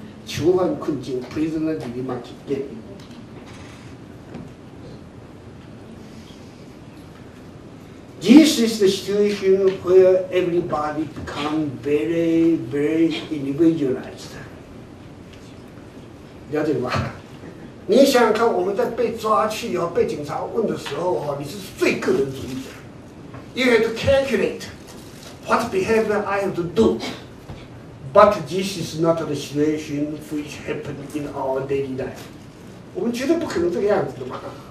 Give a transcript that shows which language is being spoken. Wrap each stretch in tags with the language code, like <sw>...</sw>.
<zh>囚犯困境, prisoner dilemma game.</zh> <en>This is the situation where everybody becomes very, very individualized.</en> <zh>了解吗? 你想想看我们在被抓去被警察问的时候你是最个人主义的。</zh> <en>You have to calculate what behavior I have to do. But this is not the situation which happened in our daily life.</en> <zh>我们绝对不可能这个样子的嘛。</zh>